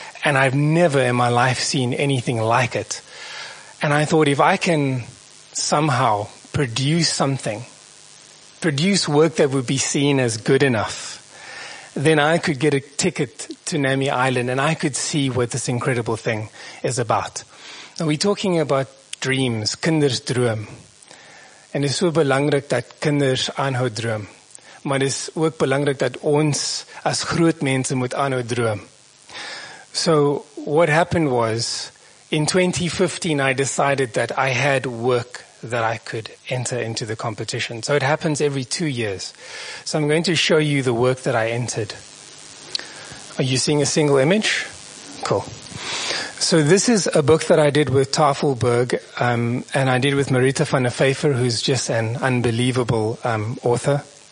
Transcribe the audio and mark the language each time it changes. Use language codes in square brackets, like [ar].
[en] And I've never in my life seen anything like it. And I thought, if I can somehow produce work that would be seen as good enough, then I could get a ticket to Nami Island and I could see what this incredible thing is about. Now, we're talking about dreams, kindersdroom. [af] En het is zo belangrijk dat kinders aanhouden droom. Maar het is ook belangrijk dat ons als groot mensen moet aanhouden droom. [en] So what happened was, in 2015 I decided that I had work that I could enter into the competition. So it happens every 2 years. So I'm going to show you the work that I entered. Are you seeing a single image? Cool. So this is a book that I did with Tafelberg, and I did with Marita van der Pfeiffer, who's just an unbelievable author.